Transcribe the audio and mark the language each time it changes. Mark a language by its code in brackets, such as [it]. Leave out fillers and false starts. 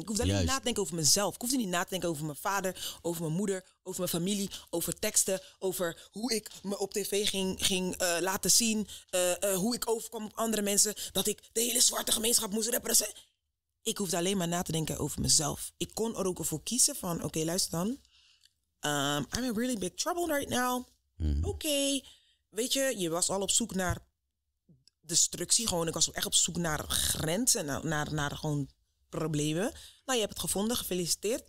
[nl] Ik hoefde alleen niet na te denken over mezelf. Ik hoefde niet na te denken over mijn vader, over mijn moeder, over mijn familie, over teksten, over hoe ik me op tv ging laten zien, hoe ik overkwam op andere mensen, dat ik de hele zwarte gemeenschap moest representeren. Ik hoefde alleen maar na te denken over mezelf. Ik kon er ook voor kiezen van, oké, luister dan. [en] I'm in really big trouble right now. [nl] Oké, weet je, je was al op zoek naar destructie. Gewoon, ik was echt op zoek naar grenzen, naar gewoon problemen. Nou, je hebt het gevonden, gefeliciteerd.